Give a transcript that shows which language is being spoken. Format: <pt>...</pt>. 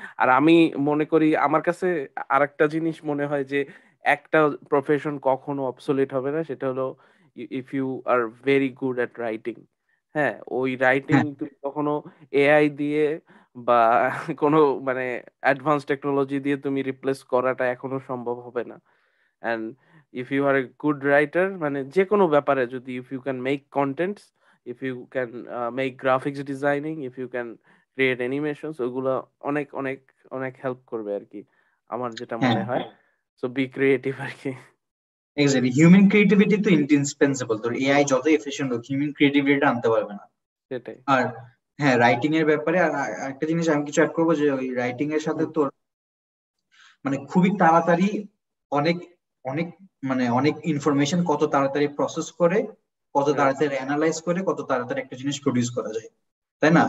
<bn>আর আমি মনে করি, আমার কাছে আর একটা জিনিস মনে হয় যে একটা প্রফেশন কখনো অবসোলিট হবে না, সেটা হলো</bn> <en>If you are very good at writing.</en> <bn>হ্যাঁ, ওই রাইটিং তুমি কখনো এআই দিয়ে বা কোনো মানে অ্যাডভান্স টেকনোলজি দিয়ে তুমি রিপ্লেস করাটা এখনো সম্ভব হবে না।</bn> <en>and if you are a good writer,</en> <bn>মানে যে কোনো ব্যাপারে, যদি</bn> <en>if you can make contents, if you can make graphics designing, if you can create animations,</en> <bn>ওগুলো অনেক অনেক অনেক help করবে আর কি, আমার যেটা মনে হয়।</bn> <en>So be creative</en> <bn>আর কি।</bn> <en>Exactly, human creativity তো indispensable,</en> <bn>তোর AI যত efficient হোক</bn> <en>human creativity</en> <bn>টা আনতে পারবে না। সেটাই। আর হ্যাঁ, রাইটিং এর ব্যাপারে আর একটা জিনিস আমি কিছু অ্যাড করব, যে ওই রাইটিং এর সাথে তোর মানে খুবই তাড়াতাড়ি অনেক অনেক মানে অনেক ইনফরমেশন কত তাড়াতাড়ি প্রসেস করে, কত তাড়াতাড়ি অ্যানালাইজ করে, কত তাড়াতাড়ি একটা জিনিস প্রোডিউস করা যায়, তাই না?</bn>